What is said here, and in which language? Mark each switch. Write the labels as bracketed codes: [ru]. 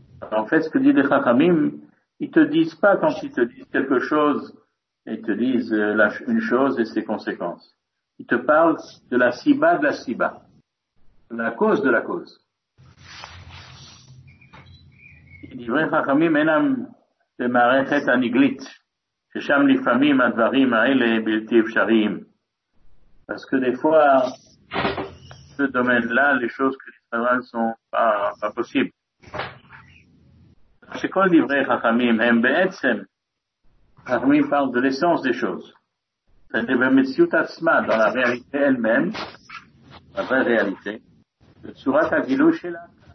[fr] En fait, ce que dit les chachamim, ils te disent pas quand ils te disent quelque chose, ils te disent une chose et ses conséquences. Ils te parlent de la siba de la siba. De la cause de la cause. [he] דברי חכמים אינם במערכת הנגלית, ששם לפעמים הדברים האלה בלתי אפשריים. [fr] Parce que des fois, ce domaine-là, les choses que les savants ne sont pas possibles. C'est quoi le livret Chachamim? Chachamim parle de l'essence des choses. C'est-à-dire, dans la réalité elle-même, la vraie réalité, le surat Agilouch est là.